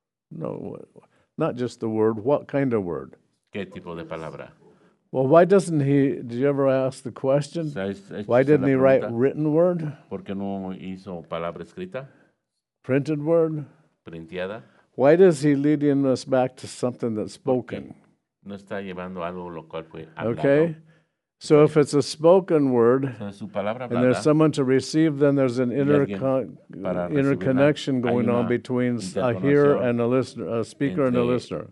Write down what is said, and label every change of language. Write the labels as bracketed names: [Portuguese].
[English] No, not just the word. What kind of word? [Spanish] ¿Qué tipo de palabra? [English] Well, why doesn't he, did you ever ask the question? Why didn't he write written word? [Spanish] ¿Por qué no hizo palabra escrita? [English] Printed word? [Spanish] Printeada? [English] Why does he lead us back to something that's spoken? [Spanish] No está llevando algo lo cual fue hablado. [English] Okay. So if it's a spoken word, [Spanish] o sea, hablada, [English] and there's someone to receive, then there's an interconnection going on between a hearer and a listener, a speaker and a listener.